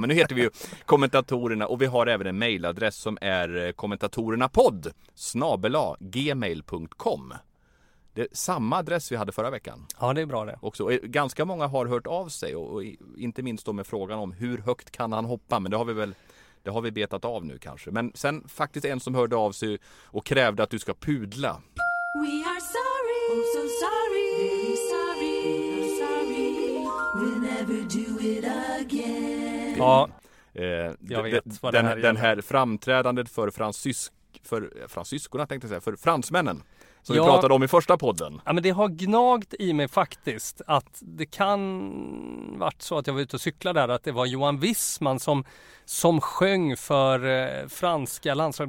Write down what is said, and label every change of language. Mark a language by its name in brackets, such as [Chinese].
[Swedish] Men nu heter vi ju kommentatorerna. Och vi har även en mejladress som är kommentatorernapodd@gmail.com. Det är samma adress vi hade förra veckan. Ja, det är bra det. Också. Ganska många har hört av sig. Och inte minst då med frågan om hur högt kan han hoppa. Men det har vi väl... Det har vi betat av nu kanske. Men sen faktiskt en som hörde av sig och krävde att du ska pudla. [English] We are sorry, oh so sorry, very sorry, sorry, we'll never do it again. Ja, [Swedish] jag vet vad den, den här framträdandet för fransyskorna, tänkte jag säga, för fransmännen. Som vi pratade om i första podden. Ja, men det har gnagt i mig faktiskt, att det kan varit så att jag var ute och cyklade där, att det var Johan Wissman som sjöng för franska landslag.